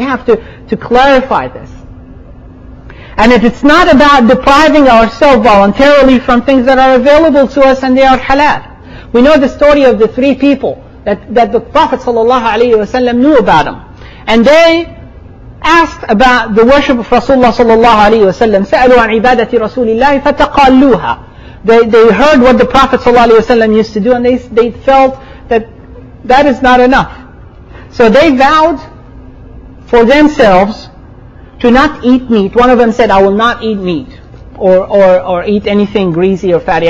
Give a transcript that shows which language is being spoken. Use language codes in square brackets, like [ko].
[en] You have to clarify this. And if it's not about depriving ourselves voluntarily from things that are available to us and they are halal. We know the story of the three people that the Prophet sallallahu alaihi wasallam knew about them. And they asked about the worship of Rasulullah sallallahu alaihi wasallam. [ar] سألوا عن عبادة رسول الله فتقالوها. [en] They heard what the Prophet sallallahu alaihi wasallam used to do, and they felt that is not enough. So they vowed for themselves to not eat meat. One of them said, "I will not eat meat or eat anything greasy or fatty.